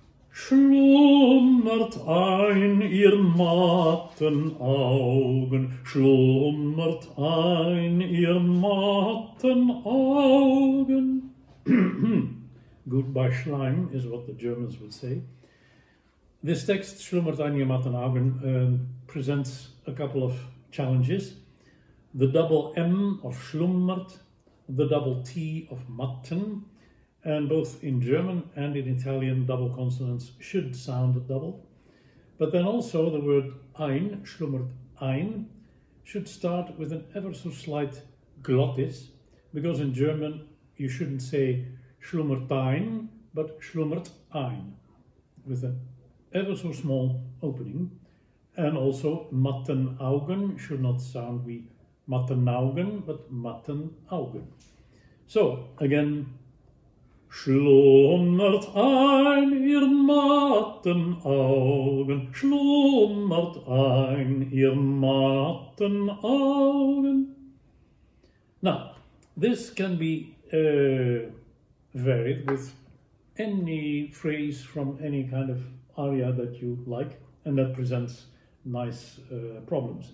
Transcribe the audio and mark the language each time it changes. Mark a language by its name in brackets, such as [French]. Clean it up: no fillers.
[German] Schlummert ein ihr matten Augen, schlummert ein ihr matten Augen. [English] Goodbye Schleim is what the Germans would say. This text, [German] Schlummert ein ihr matten Augen, [English] presents a couple of challenges. The double M of schlummert, the double T of matten, and both in German and in Italian, double consonants should sound double. But then also the word ein, [German] schlummert ein, [English] should start with an ever so slight glottis, because in German you shouldn't say schlummert ein, but schlummert ein, with an ever so small opening. And also [German] matten Augen [English] should not sound [German] wie matten Augen, [English] but matten Augen. So again, [German] schlummert ein ihr matten Augen, [English] schlummert ein ihr matten Augen. Now, this can be varied with any phrase from any kind of aria that you like, and that presents nice problems.